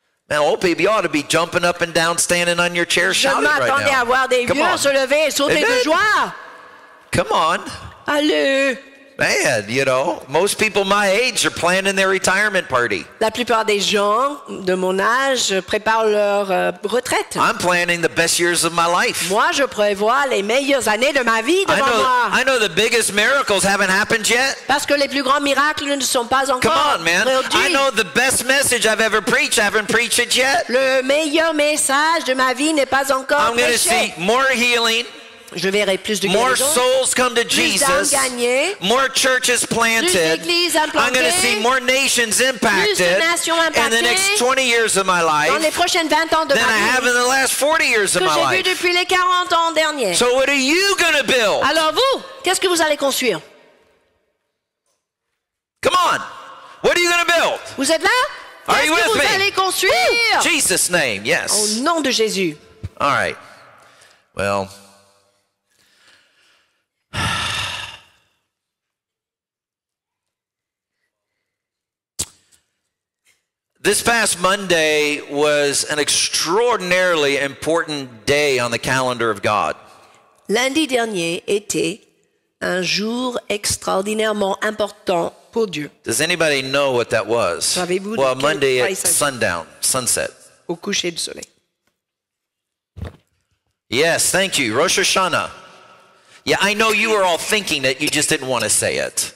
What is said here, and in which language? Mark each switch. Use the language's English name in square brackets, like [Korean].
[English] Man, old people, you ought to be jumping up and down, standing on your chair, shouting right now. [French] Je m'attendais à voir des vieux se lever et sauter de joie. [English] Come on. [French] Allez. [English] Man, you know, most people my age are planning their retirement party. [French] La plupart des gens de mon âge préparent leur retraite. [English] I'm planning the best years of my life. [French] Moi, je prévois les meilleures années de ma vie devant moi. [English] I know the biggest miracles haven't happened yet. [French] Parce que les plus grands miracles ne sont pas encore. [English] Come on, man. I know the best message I've ever preached. I haven't preached it yet. [French] Le meilleur message de ma vie n'est pas encore prêché. [English] I'm going to see more healing. [French] Je verrai plus de [English] more souls come to Jesus. [French] Plus gagnées, [English] more churches planted. [French] Plus [English] I'm going to see more nations impacted in the next 20 years of my life [French] dans les prochaines 20 ans de [English] than [French] ma vie, [English] I have in the last 40 years of my [French] vu [English] life. [French] Depuis les 40 ans derniers. [English] So what are you going to build? [French] Alors vous, qu'est-ce que vous allez construire? [English] Come on. What are you going to build? [French] Vous êtes là? [English] Are you with [French] vous [English] me? [French] Allez construire? [English] Woo! Jesus' name, yes. [French] Au nom de Jésus. [English] All right. Well, this past Monday was an extraordinarily important day on the calendar of God. [French] Lundi dernier était un jour extraordinairement important pour Dieu. [English] Does anybody know what that was? [French] Savez-vous [English] well, Monday at sundown, sunset. [French] Au coucher du soleil. [English] Yes, thank you. Rosh Hashanah. Yeah, I know you were all thinking it, you just didn't want to say it.